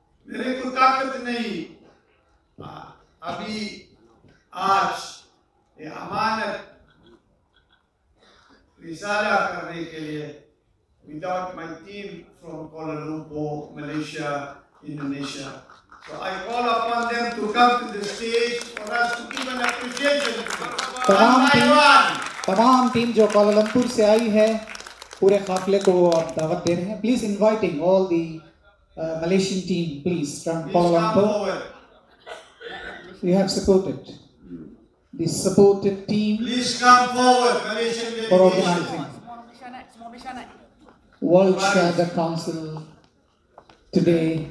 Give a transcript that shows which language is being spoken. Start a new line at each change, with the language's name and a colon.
Hindi: मेरे को ताकत नहीं अभी आज ये अमानत रिसाला करने के लिए
English: without my team from Kuala Lumpur, Malaysia, Indonesia. So I call upon them to come to the stage for us to give an appreciation.
Hindi: तमाम टीम जो कुआला लंपुर से आई है पूरे काफिले को दावत दे रहे हैं.
English: Please inviting all the Malaysian team, please, from Kuala Lumpur. We have supported the supported team. Please come forward, Malaysian team. For organizing World Shahada Council today.